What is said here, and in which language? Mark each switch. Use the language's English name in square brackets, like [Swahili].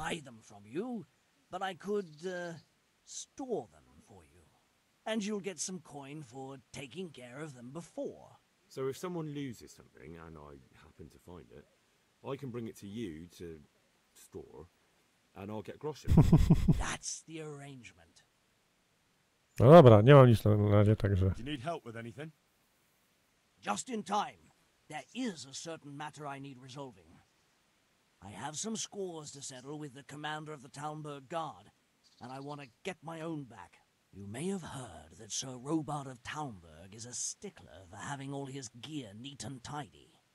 [English] Buy them from you, but I could store them for you. And you'll get some coin for taking care of them before. So if someone loses something and I happen to find it, I can bring it to you to store. And I'll get groszy. That's the arrangement. [Polish] No dobra, nie mam nic na razie, także. [English] Do you need help with anything? Just in time. There is a certain matter I need resolving. I have some scores to settle with the commander of the Talmberg Guard, and I want to get my own back. You may have heard that Sir Robart of Talmberg is a stickler for having all his gear neat and tidy.